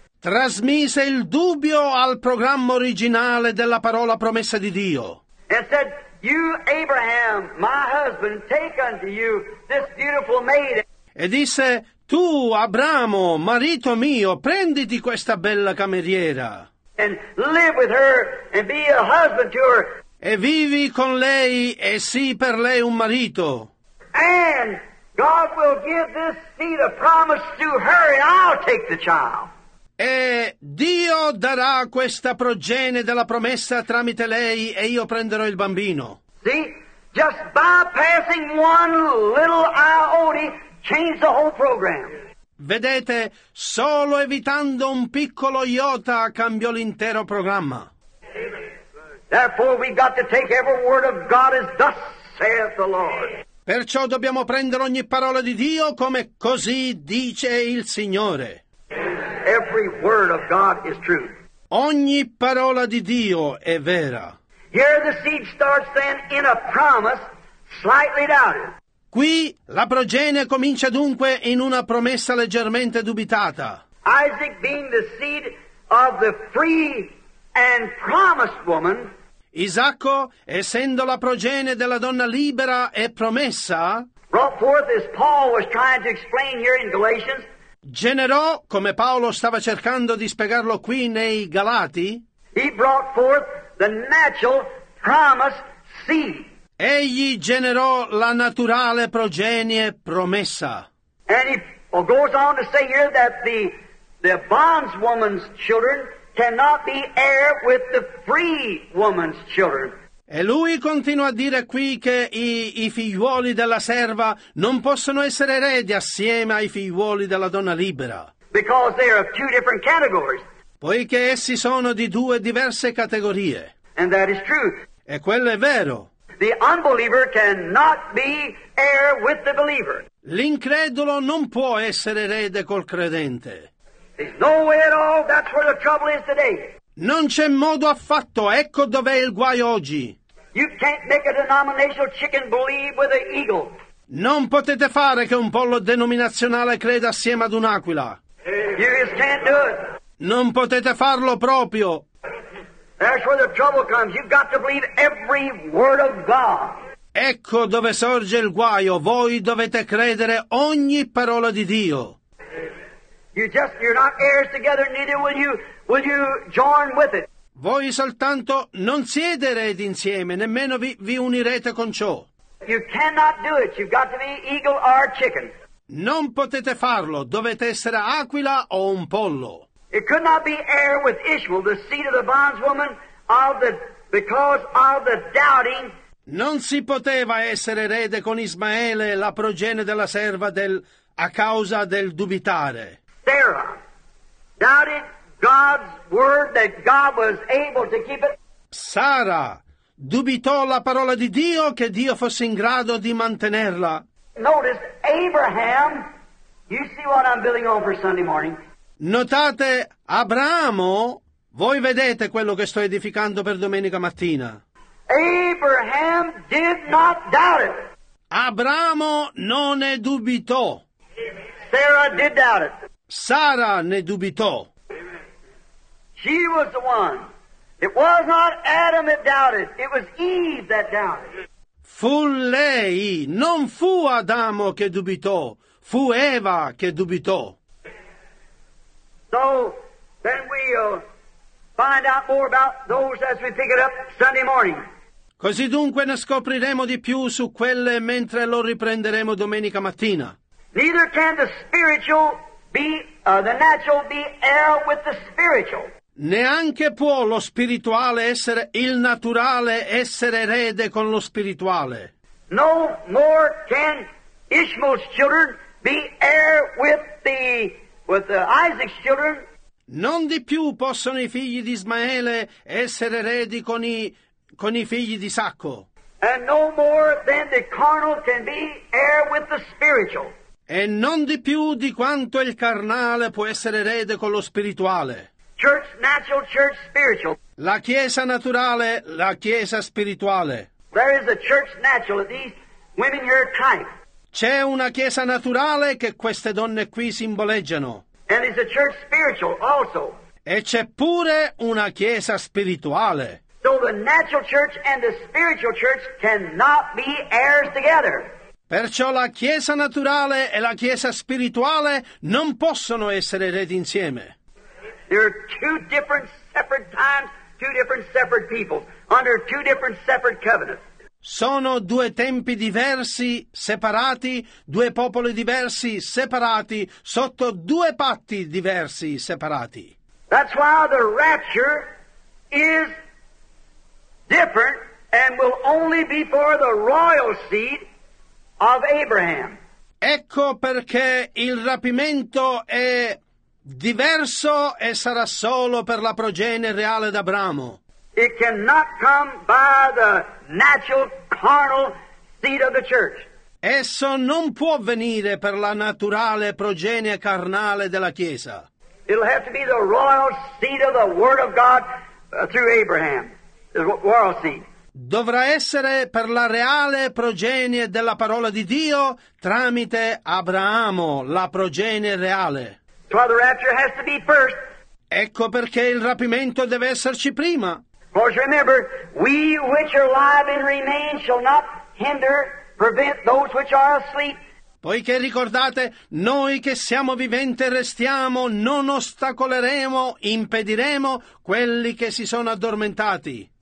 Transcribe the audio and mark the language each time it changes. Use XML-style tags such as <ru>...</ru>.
<it>Trasmise il dubbio al programma originale della parola promessa di Dio.</it> <en>And said, "You Abraham, my husband, take unto you this beautiful maiden."</en> <it>E disse, "Tu Abramo, marito mio, prenditi questa bella cameriera."</it> <en>And live with her and be a husband to her.</en> <it>E vivi con lei e sii per lei un marito.</it> <en>And God will give this seed of promise to her and I'll take the child.</en> <it>E Dio darà questa progenie della promessa tramite lei e io prenderò il bambino.</it> <en>See, just bypassing one little iota changed the whole program.</en> <it>Vedete, solo evitando un piccolo iota cambiò l'intero programma.</it> <en>Therefore we've got to take every word of God as thus saith the Lord.</en> <it>Perciò dobbiamo prendere ogni parola di Dio come così dice il Signore.</it> <en>Every word of God is true.</en> <it>Ogni parola di Dio è vera.</it> <en>Here the seed starts then in a promise, slightly doubted.</en> <it>Qui la progenie comincia dunque in una promessa leggermente dubitata.</it> <en>Isaac being the seed of the free and promised woman.</en> <it>Isacco, essendo la progenie della donna libera e promessa,</it> <en>brought forth as Paul was trying to explain here in Galatians,</en> <it>generò, come Paolo stava cercando di spiegarlo qui nei Galati,</it> <en>he brought forth the natural promised seed.</en> <it>Egli generò la naturale progenie promessa.</it> <en>And he goes on to say here that the bondswoman's children cannot be heir with the free woman's children.</en> <it>E lui continua a dire qui che i figliuoli della serva non possono essere eredi assieme ai figliuoli della donna libera.</it> <en>Because they are of two different categories.</en> <it>Poiché essi sono di due diverse categorie.</it> <en>And that is true.</en> <it>E quello è vero.</it> <en>The unbeliever cannot be heir with the believer.</en> <it>L'incredulo non può essere erede col credente.</it> <en>There's no way at all. That's where the trouble is today.</en> <it>Non c'è modo affatto. Ecco dov'è il guaio oggi.</it> <en>You can't make a denominational chicken believe with an eagle.</en> <it>Non potete fare che un pollo denominazionale creda assieme ad un'aquila.</it> <en>You just can't do it.</en> <it>Non potete farlo proprio.</it> <en>That's where the trouble comes. You've got to believe every word of God.</en> <it>Ecco dove sorge il guaio. Voi dovete credere ogni parola di Dio.</it> <en>You're not heirs together, neither will you join with it.</en> <it>Voi soltanto non siete eredi insieme, nemmeno vi unirete con ciò.</it> <en>You cannot do it. You've got to be eagle or chicken.</en> <it>Non potete farlo. Dovete essere aquila o un pollo.</it> <en>It could not be heir with Ishmael, the seed of the bondswoman, because of the doubting.</en> <it>Non si poteva essere erede con Ismaele, la progenie della serva, a causa del dubitare.</it> <en>Sarah doubted God's word that God was able to keep it.</en> <it>Sara dubitò la parola di Dio che Dio fosse in grado di mantenerla.</it> <en>Notice Abraham. You see what I'm building on for Sunday morning.</en> <it>Notate Abramo, voi vedete quello che sto edificando per domenica mattina.</it> <en>Abraham did not doubt it.</en> <it>Abramo non ne dubitò.</it> <en>Sarah did doubt it.</en> <it>Sara ne dubitò.</it> <en>She was the one. It was not Adam that doubted. It was Eve that doubted.</en> <it>Fu lei, non fu Adamo che dubitò, fu Eva che dubitò.</it> <en>So then find out more about those as we pick it up Sunday morning.</en> <it>Così dunque ne scopriremo di più su quelle mentre lo riprenderemo domenica mattina.</it> <en>Neither can the spiritual be the natural be heir with the spiritual.</en> <it>Neanche può lo spirituale essere il naturale essere erede con lo spirituale.</it> <en>No more can Ishmael's children be heir with the Isaac's children.</en> <it>Non di più possono i figli di Ismaele essere eredi con i figli di Isacco.</it> <en>And no more than the carnal can be heir with the spiritual.</en> <it>E non di più di quanto il carnale può essere erede con lo spirituale.</it> <en>Church natural, church spiritual.</en> <it>La chiesa naturale, la chiesa spirituale.</it> <en>There is a church natural of these women here tonight.</en> <it>C'è una chiesa naturale che queste donne qui simboleggiano.</it> <en>And it's a church spiritual also.</en> <it>E c'è pure una chiesa spirituale.</it> <en>So the natural church and the spiritual church cannot be heirs together.</en> <it>Perciò la chiesa naturale e la chiesa spirituale non possono essere eredi insieme.</it> <en>There are two different separate times, two different separate people, under two different separate covenants.</en> <it>Sono due tempi diversi, separati, due popoli diversi, separati, sotto due patti diversi, separati.</it> <en>That's why the rapture is different and will only be for the royal seed of Abraham.</en> <it>Ecco perché il rapimento è diverso e sarà solo per la progenie reale d'Abramo.</it> <en>It cannot come by the natural carnal seed of the church.</en> <it>Esso non può venire per la naturale progenie carnale della chiesa.</it> <en>It'll have to be the royal seed of the word of God through Abraham, the royal seed.</en> <it>Dovrà essere per la reale progenie della parola di Dio tramite Abramo, la progenie reale.</it> <en>So the rapture has to be first.</en> <it>Ecco perché il rapimento deve esserci prima.</it> <en>For remember, we which are alive and remain shall not hinder, prevent those which are asleep.</en> <it>Poiché ricordate, noi che siamo viventi restiamo, non ostacoleremo, impediremo quelli che si sono addormentati.</it>